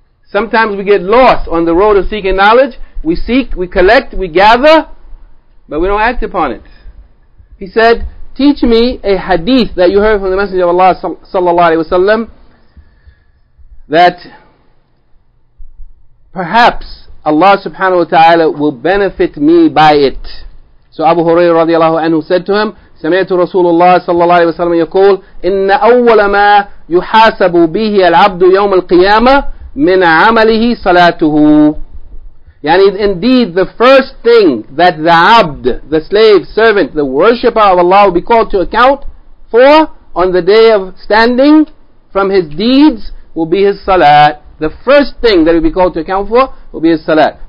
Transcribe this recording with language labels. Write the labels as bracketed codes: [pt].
[en] Sometimes we get lost on the road of seeking knowledge. We seek, we collect, we gather, but we don't act upon it. He said, teach me a hadith that you heard from the Messenger of Allah sallallahu alaihi wasallam that perhaps Allah subhanahu wa ta'ala will benefit me by it. So Abu Hurairah radiallahu anhu said to him, [ar] سمعت رسول الله صلى الله عليه وسلم يقول إن أول ما يحاسب به العبد يوم القيامة من عمله صلاته. [en] Yani, indeed, the first thing that the abd, the slave, servant, the worshipper of Allah will be called to account for on the day of standing from his deeds will be his salat. The first thing that he will be called to account for will be his salat.